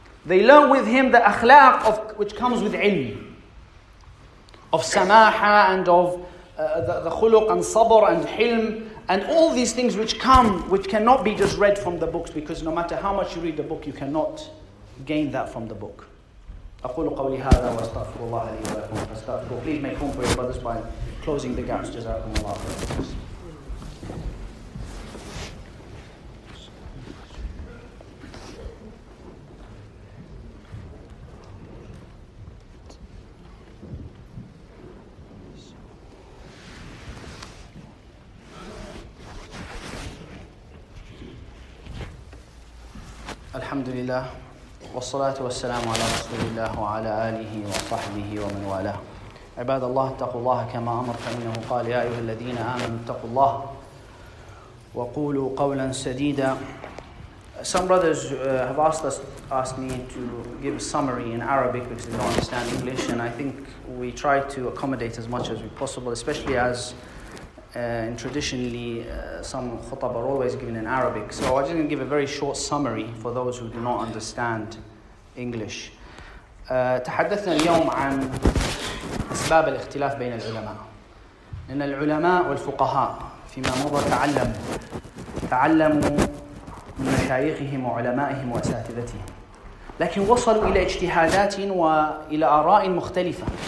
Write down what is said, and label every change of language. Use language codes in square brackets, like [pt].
[en] They learned with him the akhlaq of which comes with ilm, of samaha and of the khuluq and sabr and hilm and all these things which cannot be just read from the books, because no matter how much you read the book, you cannot gain that from the book. [ar] أقول قولي هذا وأستغفر الله لي ولكم فاستغفروا. [en] Please make room for your brothers by closing the gaps. [ar] جزاكم الله خير. الحمد لله والصلاة والسلام على رسول الله وعلى آله وصحبه ومن والاه. عباد الله اتقوا الله كما أمر فإنه قال يا أيها الذين آمنوا اتقوا الله وقولوا قولا سديدا. [en] Some brothers have asked me to give a summary in Arabic because they don't understand English, and I think we try to accommodate as much as we possible, especially as traditionally some khutab are always given in Arabic. So I'm just going to give a very short summary for those who do not understand English. [ar] تحدثنا اليوم عن أسباب الاختلاف بين العلماء. إن العلماء والفقهاء فيما مضى تعلموا من مشايخهم وعلمائهم وأساتذتهم. لكن وصلوا إلى اجتهادات وإلى آراء مختلفة.